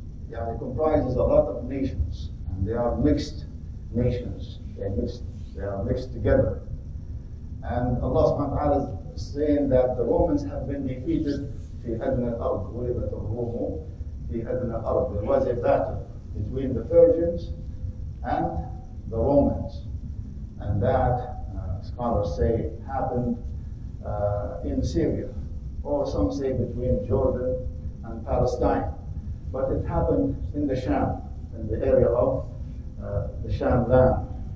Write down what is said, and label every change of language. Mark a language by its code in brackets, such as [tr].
[en] Yeah, it comprises a lot of nations, and they are mixed nations. They are mixed together. And Allah subhanahu wa ta'ala is saying that the Romans have been defeated [ar] في أدنى الأرض. غلبت الروم في أدنى الأرض. [en] There was a battle between the Persians and the Romans. And that, scholars say, happened in Syria, or some say between Jordan and Palestine. But it happened in the Sham, in the area of the Sham land.